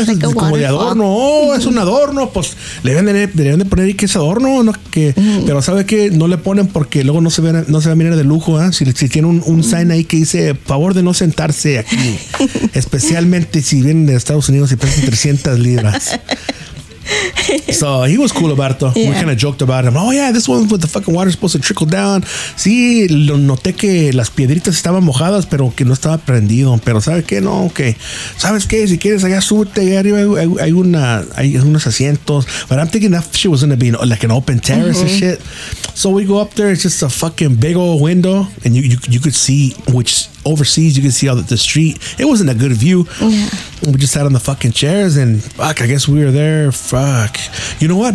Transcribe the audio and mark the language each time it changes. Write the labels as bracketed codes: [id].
[es] Es like como de adorno. Oh, mm-hmm. es un adorno. Pues le deben de poner ahí que es adorno. No, que, mm-hmm. Pero ¿sabes qué? No le ponen porque luego no se va a mirar de lujo, ¿eh? Si tiene un mm-hmm. sign ahí que dice favor de no sentarse aquí. Especialmente si vienen de Estados Unidos y pesan 300 libras. [en] So he was cool about it. Yeah. We kind of joked about him. Oh yeah, this one with the fucking water supposed to trickle down. [es] Sí, lo noté que las piedritas estaban mojadas, pero que no estaba prendido. Pero ¿sabes qué? No, okay. ¿Sabes qué? Si quieres allá súbete, allá arriba hay unos asientos. [en] But I'm thinking that shit was gonna be like an open terrace mm-hmm. and shit. So we go up there. It's just a fucking big old window, and you could see which overseas. You could see all the street. It wasn't a good view. Yeah. We just sat on the fucking chairs, and fuck, I guess we were there. Fuck. You know what?